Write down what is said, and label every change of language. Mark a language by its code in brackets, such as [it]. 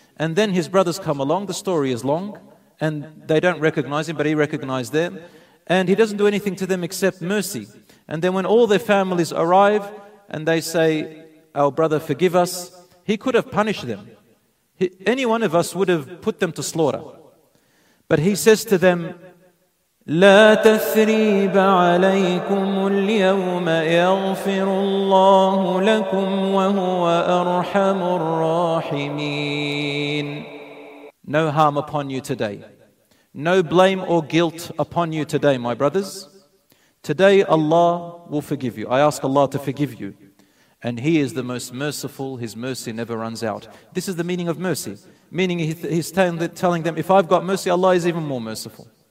[en] And then his brothers come along. The story is long. And they don't recognize him, but he recognized them. And he doesn't do anything to them except mercy. And then when all their families arrive and they say, our brother, forgive us, he could have punished them. Any one of us would have put them to slaughter. But he says to them, [ar] لا تثريب عليكم اليوم يغفر الله لكم وهو أرحم الراحمين. [en] No harm upon you today. No blame or guilt upon you today, my brothers. Today Allah will forgive you. I ask Allah to forgive you. And He is the most merciful. His mercy never runs out. This is the meaning of mercy. Meaning He's telling them, if I've got mercy, Allah is even more merciful.